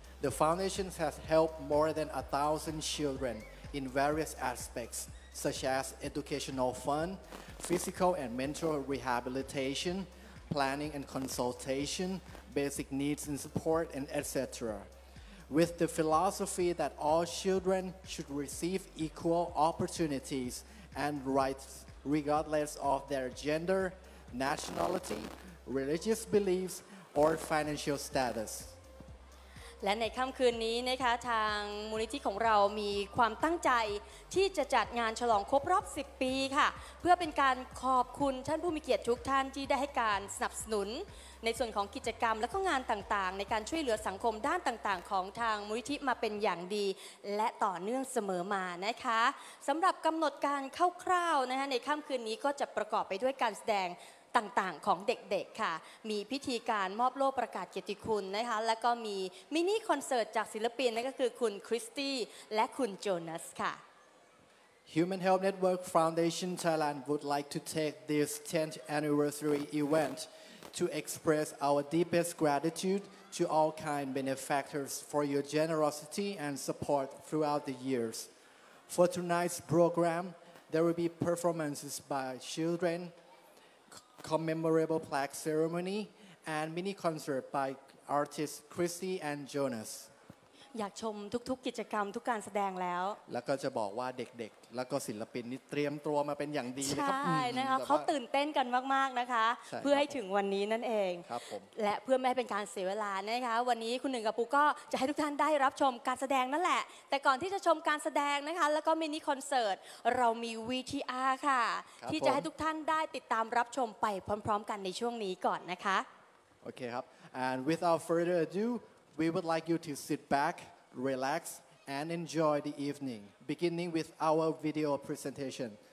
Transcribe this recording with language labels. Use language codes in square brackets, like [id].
[en] The foundation has helped more than 1,000 children in various aspects, such as educational fund, physical and mental rehabilitation, planning and consultation, basic needs and support, and etc. With the philosophy that all children should receive equal opportunities and rights regardless of their gender, nationality, religious beliefs, or financial status. [th] และในค่ำคืนนี้นะคะทางมูลนิธิของเรามีความตั้งใจที่จะจัดงานฉลองครบรอบ10ปีค่ะเพื่อเป็นการขอบคุณท่านผู้มีเกียรติทุกท่านที่ได้ให้การสนับสนุน ในส่วนของกิจกรรมและก็งานต่างๆในการช่วยเหลือสังคมด้านต่างๆของทางมูลนิธิมาเป็นอย่างดีและต่อเนื่องเสมอมานะคะสำหรับกำหนดการคร่าวๆนะคะในค่ำคืนนี้ก็จะประกอบไปด้วยการแสดงต่างๆของเด็กๆค่ะมีพิธีการมอบโล่ประกาศเกียรติคุณนะคะแล้วก็มีมินิคอนเสิร์ตจากศิลปินนั่นก็คือคุณคริสตี้และคุณโจนาสค่ะ [en] Human Help Network Foundation Thailand would like to take this 10th anniversary event to express our deepest gratitude to all kind benefactors for your generosity and support throughout the years. For tonight's program, there will be performances by childrenCommemorable plaque ceremony and mini concert by artists Kristy and Jonas. [th] อยากชมทุกๆกิจกรรมทุกการแสดงแล้ว แล้วก็จะบอกว่าเด็กๆแล้วก็ศิลปินนี่เตรียมตัวมาเป็นอย่างดี ครับใช่นะคะเขาตื่นเต้นกันมากๆนะคะเพื่อให้ถึงวันนี้นั่นเอง ครับผม และเพื่อไม่ให้เป็นการเสียเวลานะคะวันนี้คุณหนึ่งกับปูก็จะให้ทุกท่านได้รับชมการแสดงนั่นแหละแต่ก่อนที่จะชมการแสดงนะคะแล้วก็มินิคอนเสิร์ตเรามี VTR ค่ะที่จะให้ทุกท่านได้ติดตามรับชมไปพร้อมๆกันในช่วงนี้ก่อนนะคะ โอเคครับ [en] and without further adoWe would like you to sit back, relax, and enjoy the evening, beginning with our video presentation.